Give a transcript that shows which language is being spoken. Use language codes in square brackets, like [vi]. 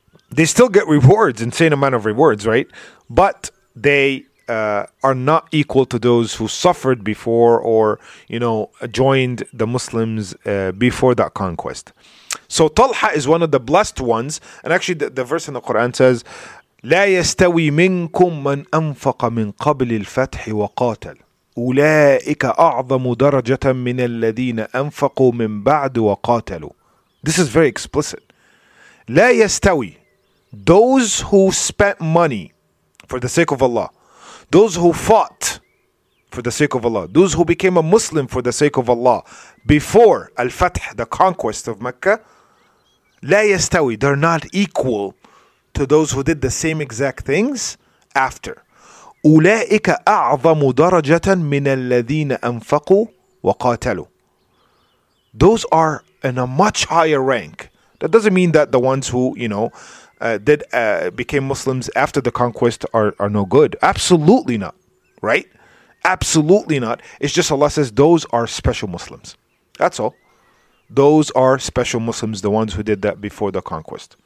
[en] They still get rewards, insane amount of rewards, right? But they are not equal to those who suffered before or, you know, joined the Muslims before that conquest. So Talha is one of the blessed ones. And actually, the verse in the Quran says, [ar] لَا يَسْتَوِي مِنْكُمْ مَنْ أَنْفَقَ مِنْ قَبْلِ الْفَتْحِ وَقَاتَلْ أُولَٰئِكَ أَعْظَمُ دَرَجَةً مِنَ الَّذِينَ أَنْفَقُوا مِنْ بَعْدُ وَقَاتَلُوا. [en] This is very explicit. [ar] لَا يَسْتَوِي. [en] Those who spent money for the sake of Allah, those who fought for the sake of Allah, those who became a Muslim for the sake of Allah before Al-Fath, the conquest of Mecca, [ar] لَا يَسْتَوِي. [en] They're not equal to those who did the same exact things after. [ar] أولئك أعظم درجة من الذين أنفقوا وقاتلوا. [en] Those are in a much higher rank. That doesn't mean that the ones who, you know, became Muslims after the conquest are no good. Absolutely not, right? Absolutely not. It's just Allah says those are special Muslims. That's all. Those are special Muslims, the ones who did that before the conquest.